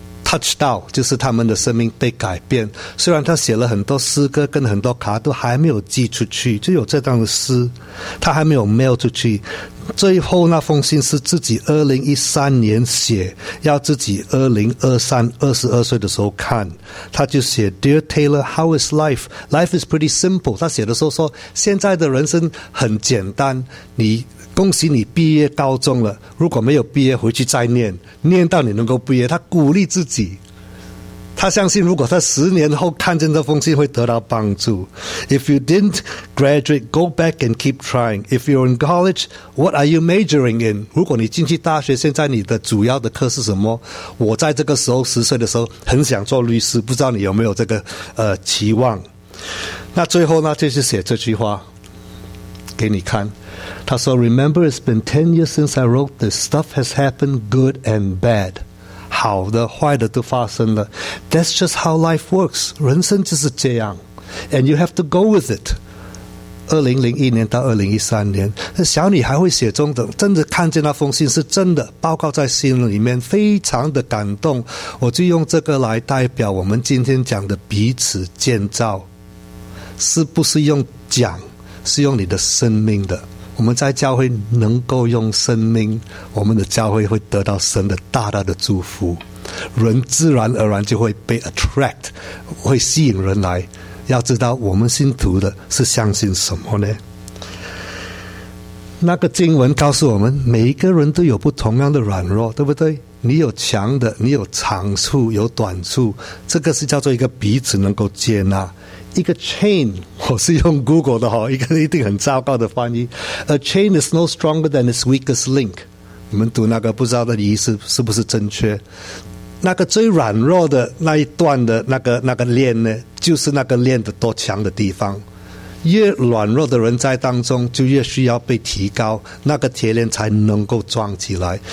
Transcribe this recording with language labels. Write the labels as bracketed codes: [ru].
[zh] touch 到，就是他们的生命被改变。虽然他写了很多诗歌跟很多卡都还没有寄出去，就有这段的诗他还没有 mail 出去。最后那封信是自己2013年写，要自己2023 22岁的时候看。他就写 [en] Dear Taylor, how is life? Life is pretty simple. [zh] 他写的时候说，现在的人生很简单，你恭喜你毕业高中了，如果没有毕业回去再念，念到你能够毕业。他鼓励自己，他相信如果他十年后看见这封信会得到帮助。 [en] If you didn't graduate, go back and keep trying. If you're in college, what are you majoring in? [zh] 如果你进去大学，现在你的主要的课是什么？我在这个时候十岁的时候很想做律师，不知道你有没有这个期望。那最后呢，就是写这句话给你看。他说 [en] Remember, it's been 10 years since I wrote this. Stuff has happened, good and bad. [zh] 好的坏的都发生了。 [en] That's just how life works. [zh] 人生就是这样。 [en] And you have to go with it. [zh] 2001年到2013年，小女孩会写中等，真的看见那封信是真的，报告在心里面，非常的感动。我就用这个来代表我们今天讲的彼此建造，是不是用讲，是用你的生命的。我们在教会能够用生命，我们的教会会得到神的大大的祝福，人自然而然就会被 attract， 会吸引人来。要知道我们信徒的是相信什么呢？那个经文告诉我们，每一个人都有不同样的软弱，对不对？你有强的，你有长处，有短处，这个是叫做一个彼此能够接纳。一个 chain， 我是用 Google 的，一个一定很糟糕的翻译。 [en] A chain is no stronger than its weakest link。 [zh] 你们读那个不知道的意思是不是正确，那个最软弱的那一段的那个链呢，就是那个链的多强的地方。越软弱的人在当中就越需要被提高，那个铁链才能够撞起来。